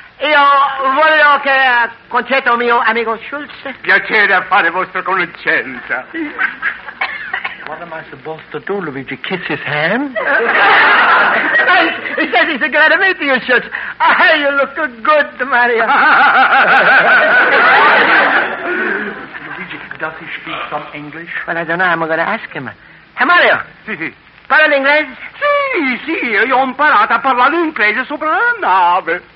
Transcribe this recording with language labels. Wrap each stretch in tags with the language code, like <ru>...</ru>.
<it>Io voglio che concetto mio amico Schulz. Piacere a fare vostra conoscenza.</it> <en>What am I supposed to do, Luigi? Kiss his hand? He says he's glad to meet you, Schulz. Ah, you look good, Mario. Luigi, does he speak some English? Well, I don't know. I'm going to ask him. Hey, Mario.</en> <it>Sì. Parla l'inglese? Sì, io ho imparato a parlare l'inglese sopra la nave.</it>